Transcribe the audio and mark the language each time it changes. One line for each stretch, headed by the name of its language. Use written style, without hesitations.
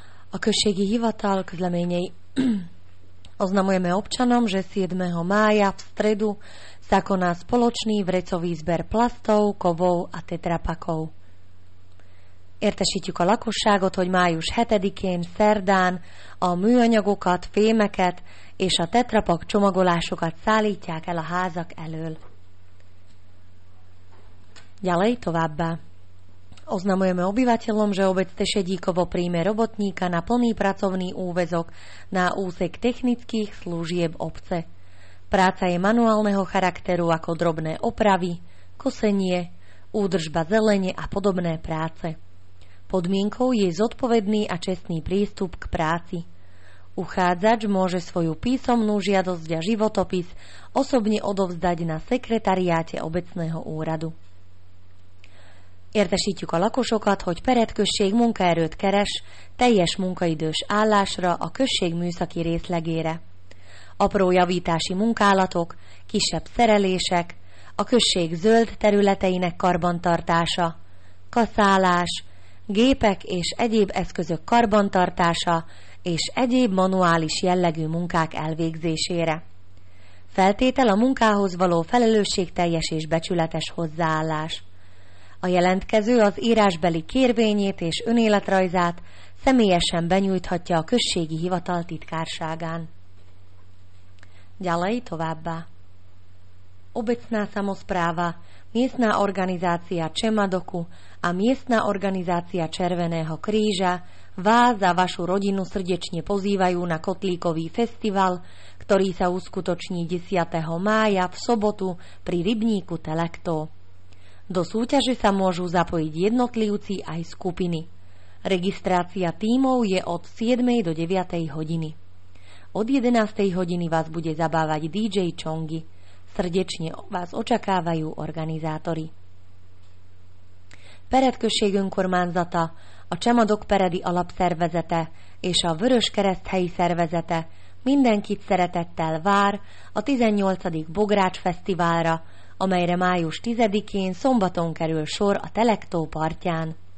Hungarian: A községi hivatal közleményei.
Slovak: Oznamujeme občanom, že 7. mája v stredu sa koná spoločný vrecový zber plastov, kovov a tetrapakov.
Hungarian: Értesítjük a lakosságot, hogy május 7-én szerdán a műanyagokat, fémeket és a tetrapak csomagolásokat szállítják el a házak elől.
Slovak: Ďalej
Hungarian: továbbá.
Slovak: Oznamujeme obyvateľom, že obec Tešedíkovo príjme robotníka na plný pracovný úväzok na úsek technických služieb obce. Práca je manuálneho charakteru ako drobné opravy, kosenie, údržba zelene a podobné práce. Podmienkou je zodpovedný a čestný prístup k práci. Uchádzač môže svoju písomnú žiadosť a životopis osobne odovzdať na sekretariáte obecného úradu.
Hungarian: Értesítjük a lakosokat, hogy Pered község munkaerőt keres teljes munkaidős állásra a község műszaki részlegére. Apró javítási munkálatok, kisebb szerelések, a község zöld területeinek karbantartása, kaszálás, gépek és egyéb eszközök karbantartása és egyéb manuális jellegű munkák elvégzésére. Feltétel a munkához való felelősségteljes és becsületes hozzáállás. A jelentkező az írásbeli kérvényét és önéletrajzát személyesen benyújthatja a községi hivatal titkárságán.
Slovak: Ďalej
Hungarian: továbbá.
Slovak: Obecná samospráva, miestna organizácia Čemadoku a miestna organizácia Červeného kríža vás a vašu rodinu srdečne pozývajú na kotlíkový festival, ktorý sa uskutoční 10. mája v sobotu pri rybníku Telekto. Do súťaže sa môžu zapojiť jednotlivci aj skupiny. Registrácia tímov je od 7. do 9. hodiny. Od 11. hodiny vás bude zabávať DJ Chongi. Srdečne vás očakávajú organizátori.
Hungarian: Pered község önkormányzata, a Csemadok Peredi alapszervezete és a Vörös Kereszt helyi szervezete mindenkit szeretettel vár a 18. Bogrács Fesztiválra, amelyre május 10-én szombaton kerül sor a Telektó partján.